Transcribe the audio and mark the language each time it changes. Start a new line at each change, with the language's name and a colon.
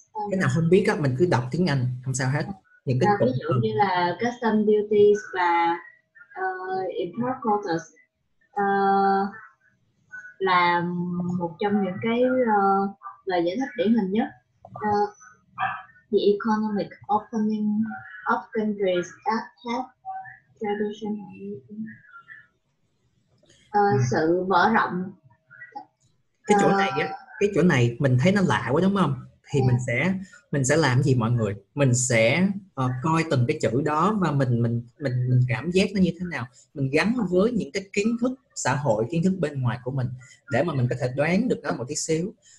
Vietnamese: cái nào không biết á mình cứ đọc tiếng Anh không sao hết. Những cái ví dụ như là custom duties và import quotas là một trong những cái lời giải thích điển hình nhất.
English: The economic opening of countries that have traditionally
Vietnamese: sự mở rộng. Cái chỗ này mình thấy nó lạ quá đúng không? Thì mình sẽ làm gì mọi người? Mình sẽ coi từng cái chữ đó và mình cảm giác nó như thế nào. Mình gắn với những cái kiến thức xã hội, kiến thức bên ngoài của mình để mà mình có thể đoán được nó một tí xíu.